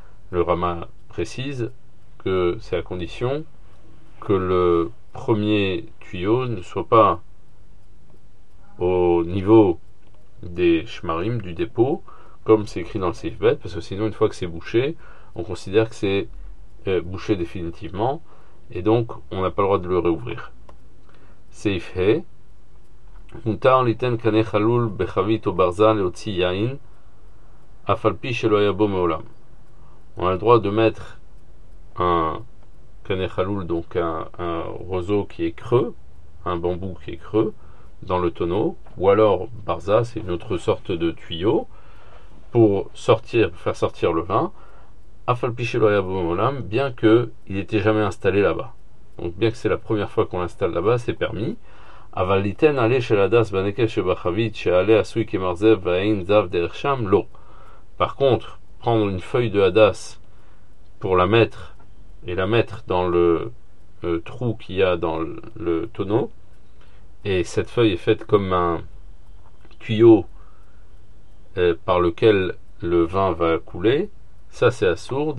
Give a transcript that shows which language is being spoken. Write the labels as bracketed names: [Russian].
[French] Le Rama précise que c'est à condition que le premier tuyau ne soit pas au niveau des shmarim du dépôt, comme c'est écrit dans le sif bet, parce que sinon, une fois que c'est bouché, on considère que c'est bouché définitivement, et donc on n'a pas le droit de le réouvrir. [Hebrew] Sif he. מותר ליתן קנה חלול בחבית או ברזל להוציא יין, אף על פי שלא היה בו מעולם. [French] On a le droit de mettre un [Hebrew] קנה חלול, [French] donc un roseau qui est creux, un bambou qui est creux, dans le tonneau, ou alors barza, c'est une autre sorte de tuyau, pour sortir, faire sortir le vin, [Hebrew] אף על פי שלא היה בו מעולם, [French] bien qu'il n'était jamais installé là-bas. Donc bien que c'est la première fois qu'on l'installe là-bas, c'est permis. [Hebrew] אבל ליתן עלי של הדס בנקב שבחבית שעלי עשוי כמרזב ואין זב דרך שם, לא. [French] Par contre, prendre une feuille de hadas pour la mettre et la mettre dans le trou qu'il y a dans le tonneau, et cette feuille est faite comme un tuyau par lequel le vin va couler, ça c'est assour.